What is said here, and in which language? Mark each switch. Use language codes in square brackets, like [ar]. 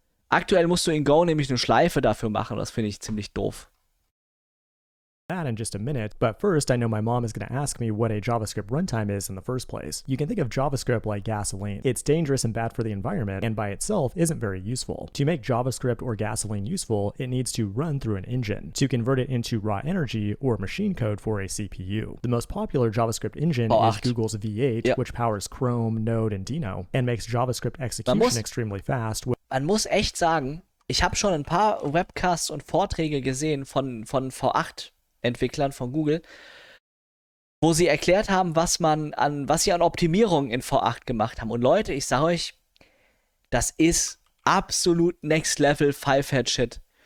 [de] Aktuell musst du in Go nämlich eine Schleife dafür machen. Das finde ich ziemlich doof. [en] That in just a minute, but first I know my mom is going to ask me what a JavaScript runtime is in the first place. You can think of JavaScript like gasoline. It's dangerous and bad for the environment, and by itself isn't very useful. To make JavaScript or gasoline useful, it needs to run through an engine to convert it into raw energy or machine code for a CPU. The most popular JavaScript engine is Google's V8, yep, which powers Chrome, Node, and Dino, and makes JavaScript execution extremely fast. [de] Man muss echt sagen, ich habe schon ein paar Webcasts und Vorträge gesehen von V8. Entwicklern von Google, wo sie erklärt haben, was sie an Optimierung in V8 gemacht haben. Und Leute, ich sag euch, das ist absolut [en] Next Level Fivehead Shit.